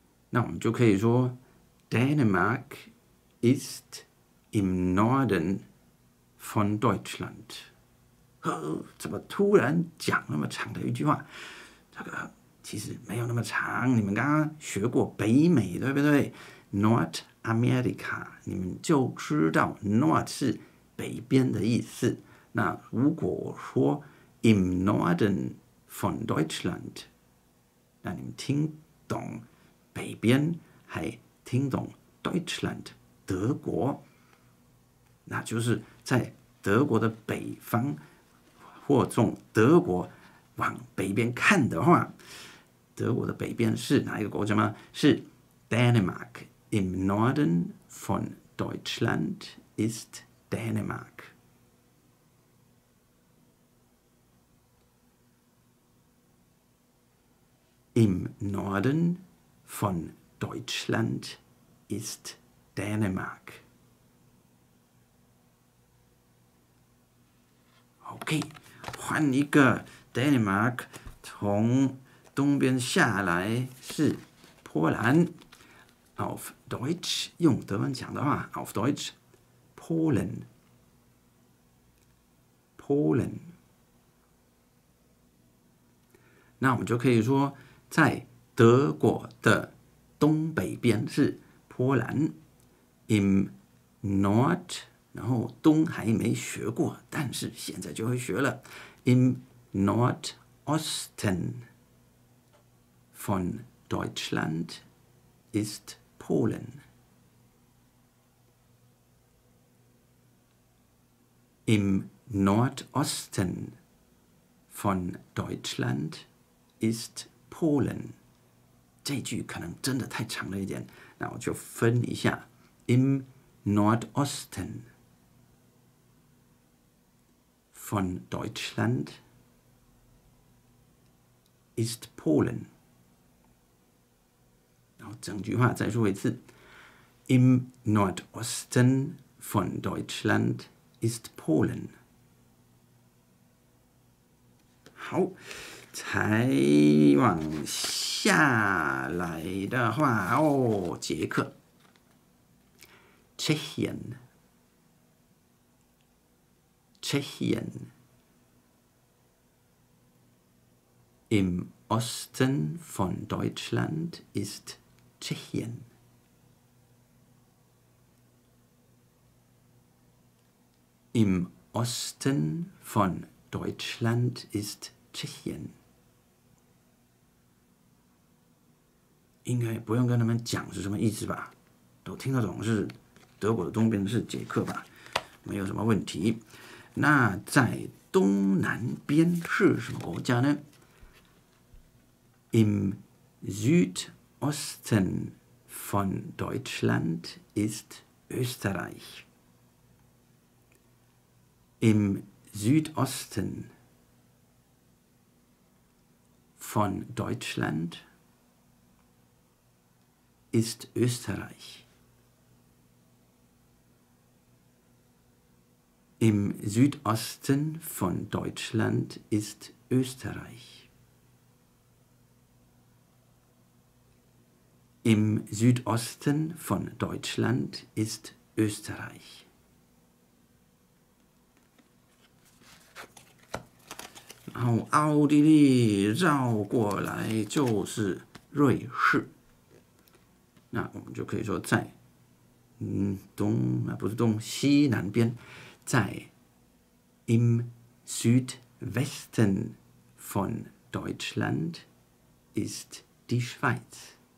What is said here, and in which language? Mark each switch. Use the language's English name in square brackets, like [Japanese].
[Chinese] 那我们就可以说 [German] Denmark ist im Norden von Deutschland。 [Chinese] 怎么突然讲那么长的一句话？这个其实没有那么长，你们刚刚学过北美对不对？ North America， 你们就知道 North 是北边的意思。那如果说 [German] im Norden von Deutschland， [Chinese] 那你们听懂北边还听懂 Deutschland 德国，那就是在德国的北方，或从德国往北边看的话，德国的北边是哪一个国家吗？是 Denmark。 [German] Im Norden von Deutschland ist Denmark。 Im Norden von Deutschland ist Dänemark。 [Chinese] OK， 换一个 Dänemark， 从东边下来是波兰。 [German] Auf Deutsch， [Chinese] 用德文讲的话 [German] Auf Deutsch Polen， Polen。 [Chinese] 那我们就可以说在德国的东北边是波兰 ，im Nord， 然后东还没学过，但是现在就会学了 ， [German] im Nordosten von Deutschland ist Polen。 Im Nordosten von Deutschland ist Polen。 [Chinese] 这句可能真的太长了一点，那我就分一下。 [German] Im Nordosten von Deutschland ist Polen。 [Chinese] 然后整句话再说一次。 [German] Im Nordosten von Deutschland ist Polen。 [Chinese] 好，才往下来的话哦，捷克 [German] ，Tschechien， Tschechien， im Osten von Deutschland ist Tschechien。 Im Osten von Deutschland ist Tschechien。 [Chinese] 应该不用跟他们讲是什么意思吧，都听得懂，是德国的东边是捷克吧，没有什么问题。那在东南边是什么国家呢？ [German] Im Südosten von Deutschland ist Österreich。 Im Südosten von Deutschland ist Österreich. Im Südosten von Deutschland ist Österreich. Im Südosten von Deutschland ist Österreich. [Chinese] 然后奥地利绕过来就是瑞士，那我们就可以说在东，不是东，西南边，在 [German] im Südwesten von Deutschland ist die Schweiz。